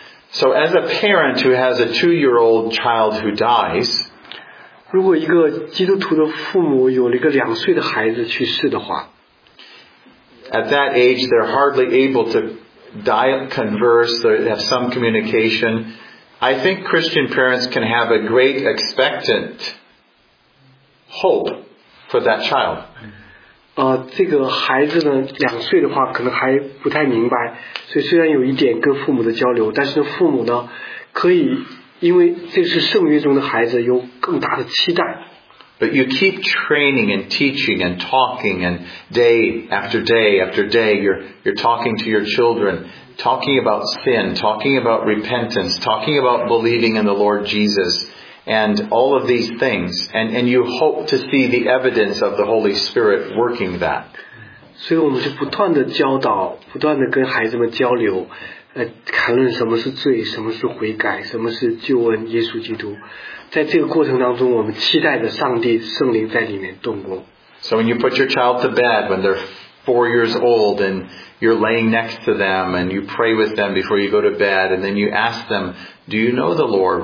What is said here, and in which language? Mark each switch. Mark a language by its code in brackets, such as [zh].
[en] So as a parent who has a 2-year-old child who dies, [zh] 如果一个基督徒的父母有了一个2岁的孩子去世的话, [en] at that age they're hardly able to converse, they have some communication. I think Christian parents can have a great expectant hope for that child. [zh] 这个孩子呢，2岁的话可能还不太明白，所以虽然有一点跟父母的交流，但是父母呢，可以因为这是圣约中的孩子，有更大的期待。 [en] But you keep training and teaching and talking and day after day after day, you're talking to your children. talking about sin, talking about repentance, talking about believing in the Lord Jesus, and all of these things, and you hope to see the evidence of the Holy Spirit working that. [zh] 所以我们就不断地教导，不断地跟孩子们交流。 [en] So when you put your child to bed when they're 4 years old and you're laying next to them and you pray with them before you go to bed and then you ask them, do you know the Lord?